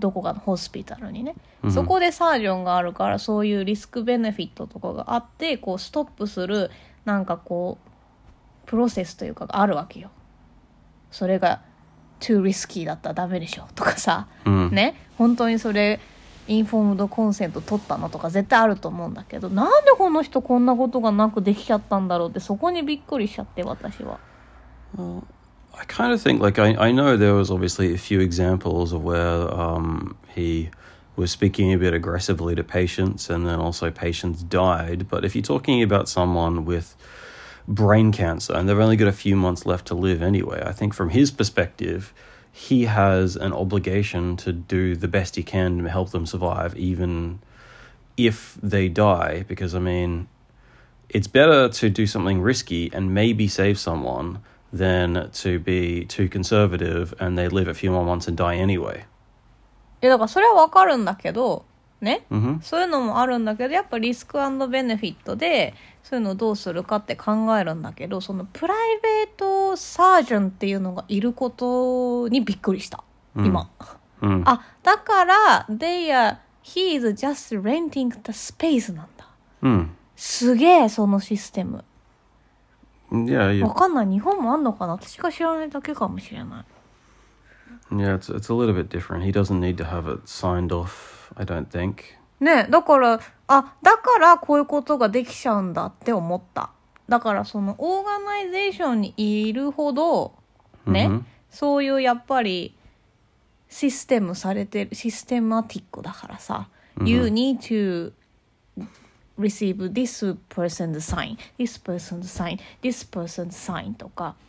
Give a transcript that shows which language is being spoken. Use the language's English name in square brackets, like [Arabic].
[Japanese] どこかのホスピタルにね、mm-hmm. そこでサージョンがあるからそういうリスクベネフィットとかがあってこうストップするなんかこうプロセスというかがあるわけよ。それがトゥーリスキーだったらダメでしょとかさ、うん、ね、本当にそれインフォームドコンセント取ったのとか絶対あると思うんだけど、なんでこの人こんなことがなくできちゃったんだろうってそこにびっくりしちゃって私は。 [English] I kind of think like I know there was obviously a few examples of where he was speaking a bit aggressively to patients and then also patients died, but if you're talking about someone withbrain cancer and they've only got a few months left to live anyway, I think from his perspective he has an obligation to do the best he can to help them survive even if they die, because I mean it's better to do something risky and maybe save someone than to be too conservative and they live a few more months and die anyway. [Japanese] いやだからそれはわかるんだけどね、 mm-hmm. そういうのもあるんだけどやっぱリスク&ベネフィットでそういうのをどうするかって考えるんだけど、そのプライベートサージョンっていうのがいることにびっくりした、mm-hmm. 今、 mm-hmm. あだから [English] They are He is just renting the space [Japanese] なんだ、 mm-hmm. すげえそのシステム、 [English] yeah, [Japanese] わかんない、日本もあんのかな、私が知らないだけかもしれない。 [English] Yeah, it's a little bit different. He doesn't need to have it signed offI don't think. [Japanese] ね、だから、あ、だからこういうことができちゃうんだって思った。だからそのオーガナイゼーションにいるほど、ね、mm-hmm. そういうやっぱりシステムされてる、システマティックだからさ、mm-hmm. [English] You need to receive this person's sign, this person's sign, this person's sign [Japanese] とか、